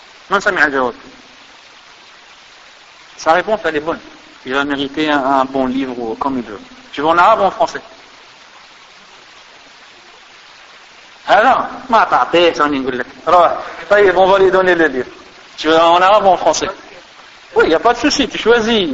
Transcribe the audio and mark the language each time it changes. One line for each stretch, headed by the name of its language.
Arabic: من سمع الجواب؟
French: Sa réponse elle est bonne. Il va mériter un bon livre comme il veut. Tu veux en arabe ou en français?
Arabic: هذا ما تعطيه ثاني نقول لك. روح. طيب
French: on va lui donner le livre. Tu veux en arabe ou en français? Oui, il y a pas de souci, tu choisis.